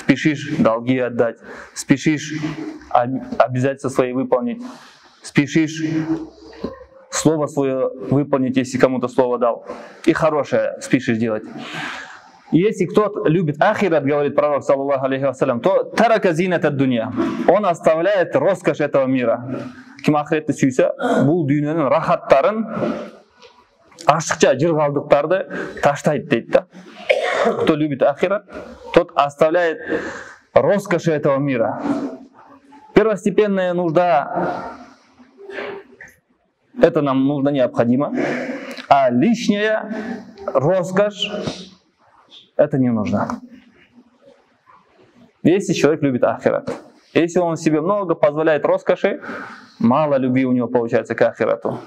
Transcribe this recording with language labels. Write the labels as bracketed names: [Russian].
[Russian] Спешишь долги отдать. Спешишь обязательства свои выполнить. Спешишь слово свое выполнить, если кому-то слово дал. И хорошее спешишь делать. Если кто-то любит ахират, говорит пророк, саллаллаху алейхи вассалям, то [Arabic] тарака зинат ад-дунья. [Russian] Он оставляет роскошь этого мира. [Kyrgyz] Ким ахиретті сүйсе, бұл дүйненің рахаттарын ашықша жырғалдықтарды таштайды, дейді. [Russian] Кто любит ахират, тот оставляет роскоши этого мира. Первостепенная нужда, это нам нужно необходимо, а лишняя роскошь, это не нужно. Если человек любит ахират, если он себе много позволяет роскоши, мало любви у него получается к ахирату.